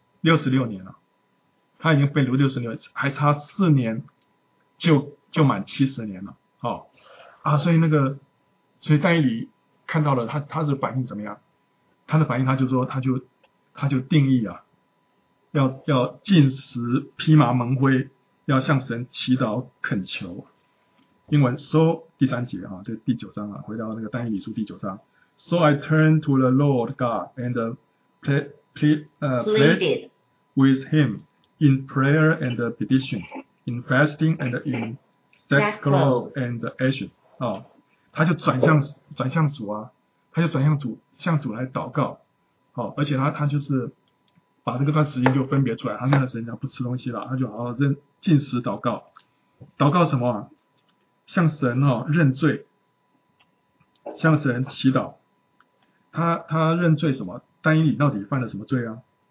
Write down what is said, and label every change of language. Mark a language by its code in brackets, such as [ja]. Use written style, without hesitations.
[zh] 66年了，他已经被掳66，还差4年就满70年了、哦、啊，所以那个，所以但以理看到了他的反应怎么样？他的反应他就定义啊，要禁食，披麻蒙灰，要向神祈祷恳求。英文 So 第3节啊，这第9章啊，回到那个但以理书第9章。 [en] So I turned to the Lord God and pleaded with him in prayer and petition, in fasting and in sackcloth and ashes [zh] 啊，他就转向主啊，他就转向主，向主来祷告。好，而且他就是把这个段时间就分别出来，他那段时间不吃东西了，他就好好禁食祷告，祷告什么、啊？向神哦认罪，向神祈祷。他认罪什么？但以理到底犯了什么罪啊？